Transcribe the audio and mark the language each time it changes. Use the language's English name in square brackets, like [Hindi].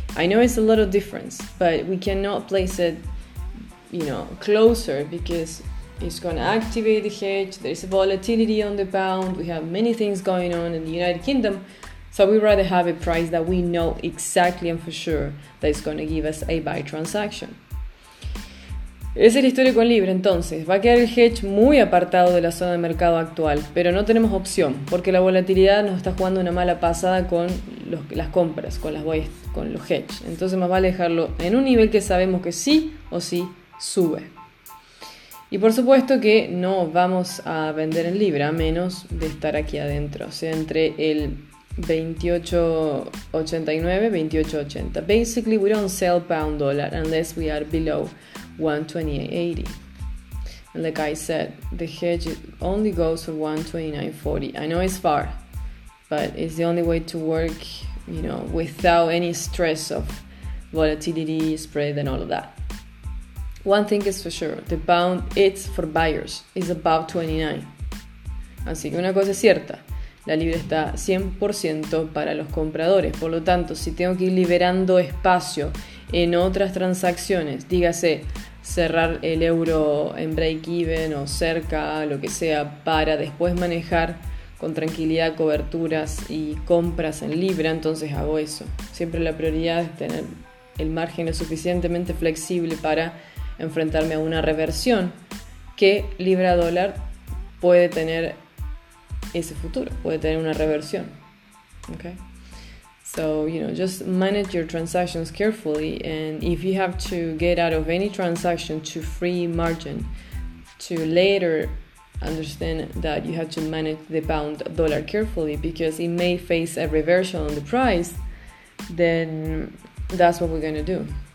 [English] I know it's a lot of difference, but we cannot place it, you know, closer because it's going to activate the hedge. There's a volatility on the pound. We have many things going on in the United Kingdom. So we'd rather have a price that we know exactly and for sure that it's going to give us a buy transaction. [Spanish] Esa es la historia con Libra, entonces. Va a quedar el hedge muy apartado de la zona de mercado actual, pero no tenemos opción, porque la volatilidad nos está jugando una mala pasada con las compras, con los hedge. Entonces más vale dejarlo en un nivel que sabemos que sí o sí sube. Y por supuesto que no vamos a vender en Libra, a menos de estar aquí adentro, o sea, entre el 28.89, 28.80. [English] Basically, we don't sell pound dollar unless we are below 1.2880. And like I said, the hedge only goes for 1.2940. I know it's far, but it's the only way to work, you know, without any stress of volatility, spread, and all of that. One thing is for sure, the pound, it's for buyers, is above 29. [Spanish] Así que una cosa es cierta, la libra está 100% para los compradores. Por lo tanto, si tengo que ir liberando espacio en otras transacciones, dígase cerrar el euro en break-even o cerca, lo que sea, para después manejar con tranquilidad coberturas y compras en libra, entonces hago eso. Siempre la prioridad es tener el margen lo suficientemente flexible para enfrentarme a una reversión que libra-dólar puede tener. Ese futuro puede tener una reversión. [English] Okay, so you know, just manage your transactions carefully, and if you have to get out of any transaction to free margin, to later understand that you have to manage the pound dollar carefully because it may face a reversion on the price, then that's what we're gonna do.